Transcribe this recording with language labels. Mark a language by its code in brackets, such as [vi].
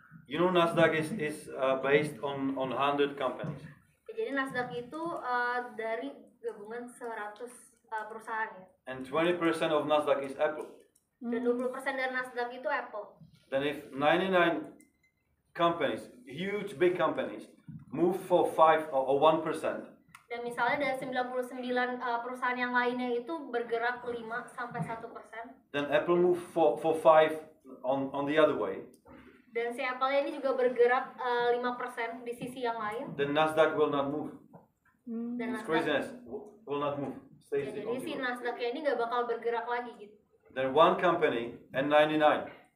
[en] You know Nasdaq is based on 100 companies. [id] Jadi Nasdaq itu dari gabungan 100 perusahaan ya. [en] And 20% of Nasdaq is Apple. [id] Dan 20% dari Nasdaq itu Apple. [en] Then if 99 companies, huge big companies, move for 5 or 1%. [id] Dan misalnya dari 99 perusahaan yang lainnya itu bergerak 5 sampai 1%. [en] Then Apple move for 5 on the other way. [id] Dan si Apple ini juga bergerak 5% di sisi yang lain. [en] Then Nasdaq will not move. It's craziness. Will not move. Stay [id] ya, jadi si Nasdaq ini enggak bakal bergerak lagi gitu. [en] Then one company and 99.